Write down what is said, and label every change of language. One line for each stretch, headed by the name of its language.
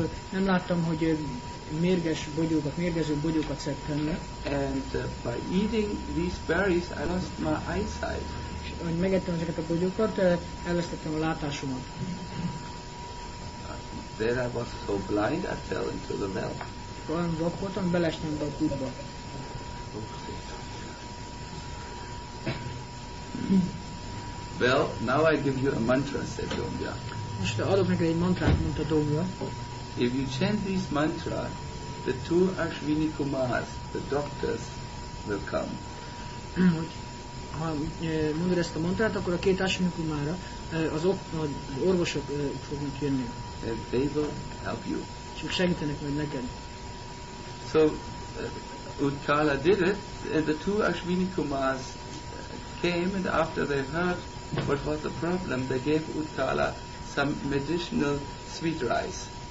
Hungarian: Nem láttam, hogy mérges bogyókat, mérgező bogyókat szedtem le.
English: And by eating these berries, I lost my eyesight.
Hungarian: Hogy megettem ezeket a bogyókat, elvesztettem a látásomat.
English: Then I was so blind, I fell into the well.
Hungarian: Olyan vak voltam, belestem be a kútba.
English: Well, now I give you a mantra, said Domja.
Hungarian: Most adok neked egy mantrát, mondta Domja.
English: If you chant this mantra, the two Ashwini Kumars, the doctors, will come.
Hungarian: Ha mondod ezt a mantrát, akkor a két Ashwini Kumara, az orvosok fognak jönni.
English: And they will help you.
Hungarian: Csak segítenek majd neked.
English: So Utkala did it, and the two Ashwini Kumars came, and after they heard what was the problem, they gave Utkala some medicinal sweet rice.